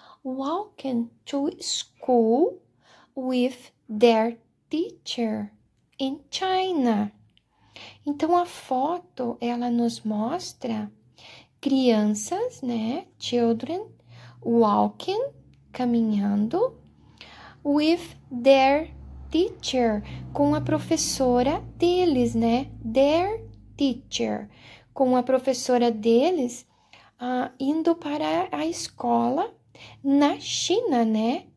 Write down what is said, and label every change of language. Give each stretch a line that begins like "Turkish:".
English: walking to school with their teacher in China.
Portuguese: Então, a foto, ela nos mostra crianças, né?
English: Children walking,
Portuguese: caminhando,
English: with their teacher,
Portuguese: com a professora deles, né?
English: Their teacher,
Portuguese: com a professora deles, indo para a escola na China, né?